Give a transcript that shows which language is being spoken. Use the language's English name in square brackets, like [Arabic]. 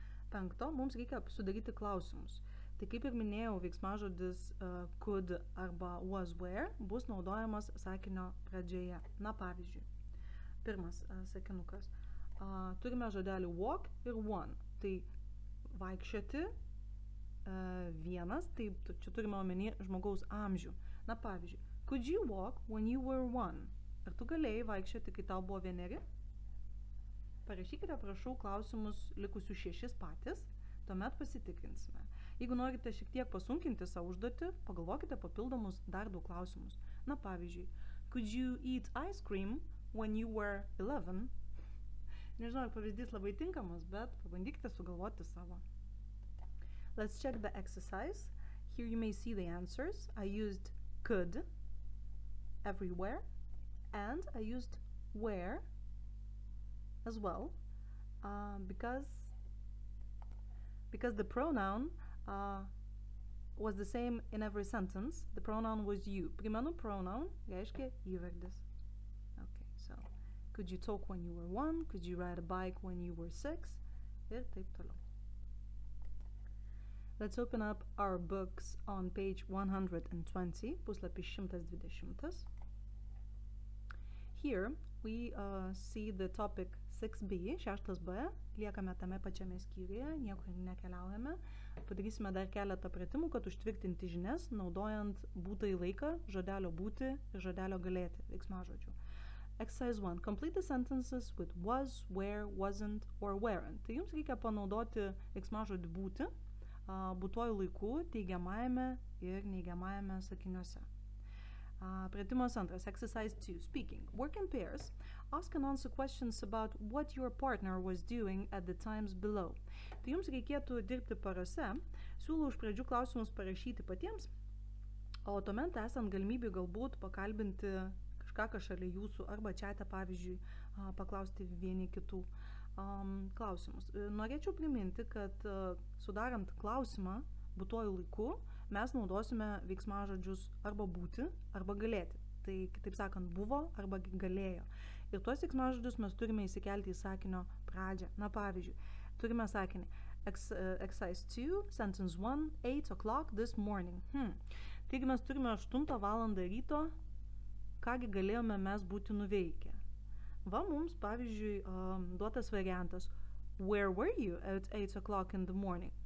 [Lithuanian] Penkto, mums reikia sudaryti klausimus. Tai kaip ir minėjau, veiksmažodis could arba was where bus naudojamas sakinio pradžioje. Na, pavyzdžiui, pirmas sakinukas. Turime žodelį walk ir one. Tai vaikščioti vienas, tai čia turime omeny žmogaus amžių. Na, pavyzdžiui, [English] could you walk when you were one? [Lithuanian] Ar tu galėjai vaikščioti, kai tau buvo vieneri? Parašykite, prašau, klausimus likusių 6 patys, tuomet pasitikrinsime. Jeigu norite šiek tiek pasunkinti savo užduotį, pagalvokite papildomus dar 2 klausimus. Na, pavyzdžiui, [English] could you eat ice cream when you were 11? [Lithuanian] Nežinau, pavyzdys labai tinkamas, bet pabandykite sugalvoti savo. [English] Let's check the exercise. Here you may see the answers. I used could everywhere and I used where as well, because the pronoun was the same in every sentence. The pronoun was you. [Lithuanian] Primenu pronoun, reiškia įvardis. [English] Okay, so, could you talk when you were one? Could you ride a bike when you were 6? [Lithuanian] Ir taip toliau. [English] Let's open up our books on page 120, [Lithuanian] puslapis 120. [English] Here, we see the topic 6B, 6B, [Lithuanian] liekame tame pačiame skyriuje, nieko nekeliaujame. Padarysime dar keletą pratimų, kad užtvirtinti žinias, naudojant būtąjį laiką, žodelio būti ir žodelio galėti, veiksmažodžių. [English] Exercise 1. Complete the sentences with was, where, wasn't, or weren't. [Lithuanian] Tai jums reikia panaudoti veiksmažodį būti, būtuoju laiku, teigiamajame ir neigiamajame sakiniuose. Pratimas antras, [English] exercise 2, speaking. Work in pairs. Ask and answer questions about what your partner was doing at the times below. [Lithuanian] Tai jums reikėtų dirbti parose. Siūlau iš pradžių klausimus parašyti patiems, o tuomet esant galimybių galbūt pakalbinti kažką šalia jūsų arba čiate, pavyzdžiui, paklausti vieni kitų klausimus. Norėčiau priminti, kad sudarant klausimą būtuoju laiku, mes naudosime veiksmažodžius arba būti, arba galėti. Tai, kitaip sakant, buvo arba galėjo. Ir tuos veiksmažodžius mes turime įsikelti į sakinio pradžią. Na, pavyzdžiui, turime sakinį. [English] Exercise 2, sentence 1, 8 o'clock this morning. [Lithuanian] Taigi mes turime 8 valandą ryto, kągi galėjome mes būti nuveikę. Va, mums, pavyzdžiui, duotas variantas. [English] Where were you at 8 o'clock in the morning?